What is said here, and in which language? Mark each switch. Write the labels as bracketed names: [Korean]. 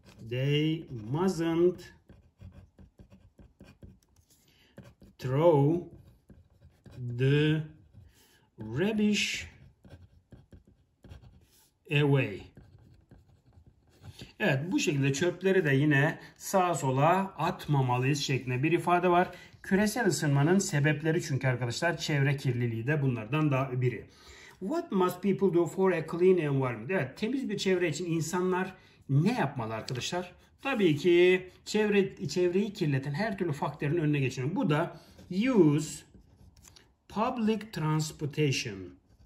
[English] They mustn't throw the rubbish away. [Turkish] Evet, bu şekilde çöpleri de yine sağa sola atmamalıyız şeklinde bir ifade var. Küresel ısınmanın sebepleri çünkü arkadaşlar çevre kirliliği de bunlardan da biri. [English] What must people do for a clean environment? [Turkish] Evet, temiz bir çevre için insanlar ne yapmalı arkadaşlar? Tabii ki çevreyi kirleten her türlü faktörün önüne geçelim. Bu da [English] use public transportation.